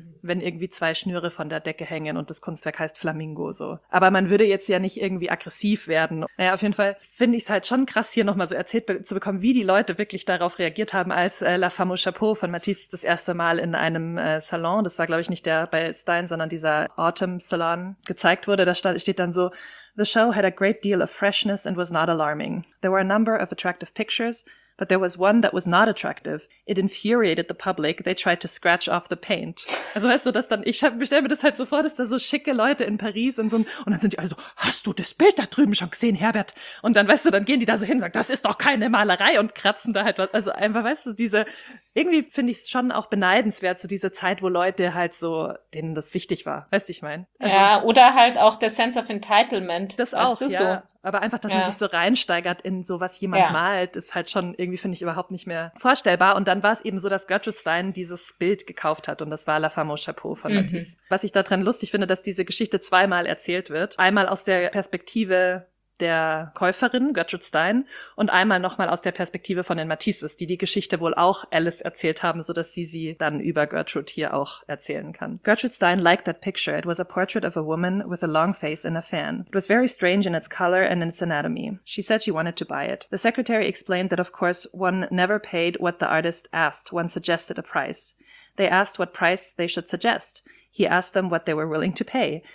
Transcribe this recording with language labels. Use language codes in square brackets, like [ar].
[de] Wenn irgendwie zwei Schnüre von der Decke hängen und das Kunstwerk heißt Flamingo, so. Aber man würde jetzt ja nicht irgendwie aggressiv werden. Naja, auf jeden Fall finde ich es halt schon krass, hier nochmal so erzählt zu bekommen, wie die Leute wirklich darauf reagiert haben, als La Femme au Chapeau von Matisse das erste Mal in einem Salon, das war glaube ich nicht der bei Stein, sondern dieser Autumn Salon, gezeigt wurde. Da steht dann so, [en] "The show had a great deal of freshness and was not alarming. There were a number of attractive pictures, but there was one that was not attractive. It infuriated the public. They tried to scratch off the paint." [de] Also weißt du, dass dann, ich stelle mir das halt so vor, dass da so schicke Leute in Paris und so, und dann sind die also, hast du das Bild da drüben schon gesehen, Herbert? Und dann, weißt du, dann gehen die da so hin und sagen, das ist doch keine Malerei, und kratzen da halt was. Also einfach, weißt du, diese, irgendwie finde ich es schon auch beneidenswert, so diese Zeit, wo Leute halt so, denen das wichtig war. Weißt du, ich meine? Also, ja, oder halt auch der Sense of Entitlement. Das auch, ja. So. Aber einfach, dass man sich so reinsteigert in so, was jemand malt, ist halt schon irgendwie, finde ich, überhaupt nicht mehr vorstellbar. Und dann war es eben so, dass Gertrude Stein dieses Bild gekauft hat. Und das war La Femme au Chapeau von Matisse. Was ich daran lustig finde, dass diese Geschichte zweimal erzählt wird. Einmal aus der Perspektive der Käuferin, Gertrude Stein, und einmal nochmal aus der Perspektive von den Matisses, die die Geschichte wohl auch Alice erzählt haben, so dass sie sie dann über Gertrude hier auch erzählen kann. [en] Gertrude Stein liked that picture. It was a portrait of a woman with a long face in a fan. It was very strange in its color and in its anatomy. She said she wanted to buy it. The secretary explained that, of course, one never paid what the artist asked, one suggested a price. They asked what price they should suggest. He asked them what they were willing to pay.